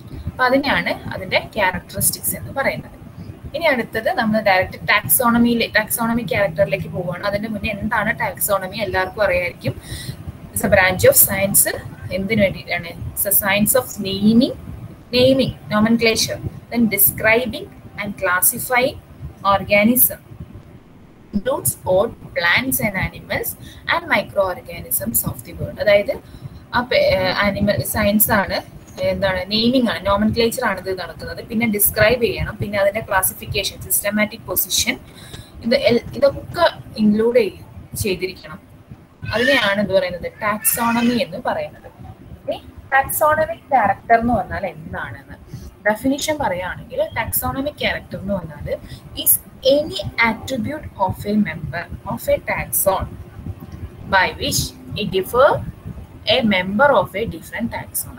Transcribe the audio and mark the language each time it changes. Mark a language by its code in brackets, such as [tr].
[ml] അപ്പൊ അതിനെയാണ് അതിന്റെ ക്യാരക്ടറിസ്റ്റിക്സ് എന്ന് പറയുന്നത്. ഇനി അടുത്തത് നമ്മൾ ഡയറക്റ്റ് ടാക്സോണമിക് ക്യാരക്ടറിലേക്ക് പോവുകയാണ്. അതിന്റെ മുന്നേ എന്താണ് ടാക്സോണമി എല്ലാവർക്കും അറിയായിരിക്കും. [en] It's a branch of science. [ml] എന്തിനു വേണ്ടിയിട്ടാണ്? [en] Science of naming, nomenclature, then describing and classifying organism. Includes all plants and animals and microorganisms of the world. [ml] അതായത് ആ ആനിമൽ സയൻസ് ആണ്, എന്താണ് നെയിമിംഗ് ആണ്, നോമൻക്ലേച്ചർ ആണ് ഇത് നടത്തുന്നത്. പിന്നെ ഡിസ്ക്രൈബ് ചെയ്യണം, പിന്നെ അതിന്റെ ക്ലാസിഫിക്കേഷൻ, സിസ്റ്റമാറ്റിക് പൊസിഷൻ, ഇതൊക്കെ ഇൻക്ലൂഡ് ചെയ്തിരിക്കണം. അതിനെയാണ് എന്ത് പറയുന്നത്, ടാക്സോണമി എന്ന് പറയുന്നത്. ടാക്സോണമിക് ക്യാരക്ടർ എന്ന് പറഞ്ഞാൽ എന്താണെന്ന് ഡെഫിനിഷൻ പറയുകയാണെങ്കിൽ, ടാക്സോണമിക് ക്യാരക്ടർ എന്ന് പറഞ്ഞാൽ [en] Is any attribute of a member of a taxon by which it differ a member of a different taxon.